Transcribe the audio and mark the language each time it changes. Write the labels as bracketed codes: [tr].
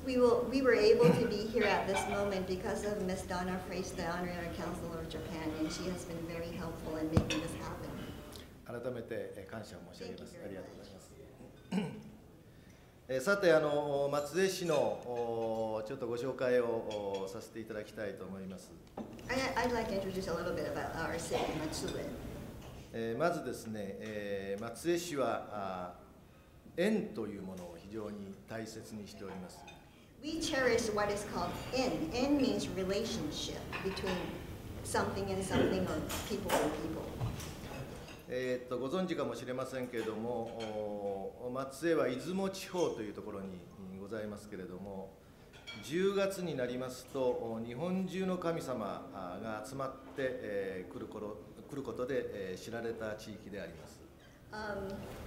[en] We were able to be here at this moment because of Ms. Donna Frace, the Honorary Counselor of Japan, and she has been very helpful in making this happen. [ja] 改めて感謝を申し上げます。ありがとうございます。さて松江市のちょっとご紹介をさせていただきたいと思います。 [en] I'd like to introduce a little bit about our city, Matsue. [ja] まずですね、松江市は縁というものを非常に大切にしております。 [en] We cherish what is called 縁。縁 means relationship between something and something or people and people. [ja] ご存知かもしれませんけれども、松江は出雲地方というところにございますけれども、10月になりますと、日本中の神様が集まって、来ることで、知られた地域であります。